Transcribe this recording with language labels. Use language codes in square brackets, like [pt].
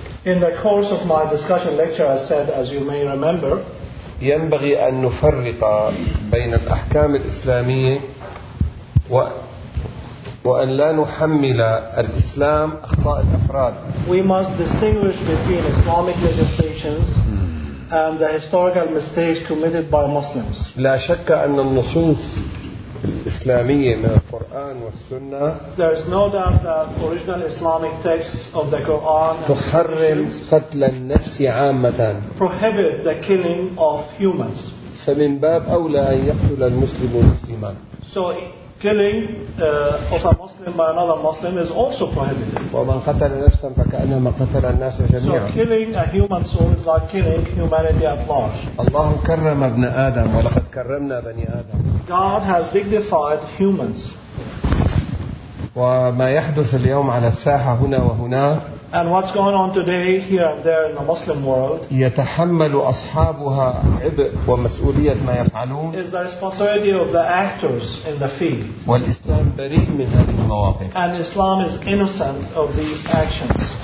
[en] In the course of my discussion lecture, I said, as you may remember. [ar] ينبغي أن نفرق بين الأحكام الإسلامية و. وأن لا نحمل الإسلام أخطاء الأفراد. [en] We must distinguish between Islamic legislations and the historical mistakes committed by Muslims. [ar] لا شك أن النصوص الإسلامية من القرآن والسنة. [en] There is no doubt that original Islamic texts of the Quran. [ar] تحرم قتل النفس عامة. [en] Prohibit the killing of humans. [ar] فمن باب أولى أن يقتل المسلم مسلما. [en] So. Killing of a Muslim by another Muslim is also prohibited. [ar] ومن قتل نفسا فكأنما قتل الناس جميعا. [en] So killing a human soul is like killing humanity at large. [ar] الله كرم ابن آدم ولقد كرمنا بني آدم. [en] God has dignified humans. [ar] وما يحدث اليوم على الساحة هنا وهناك. [en] And what's going on today here and there in the Muslim world? [ar] يتحمل أصحابها عبء ومسؤولية ما يفعلون. [en] Is the responsibility of the actors in the field? [ar] والإسلام بريء من هذه المواقف. [en] And Islam is innocent of these actions.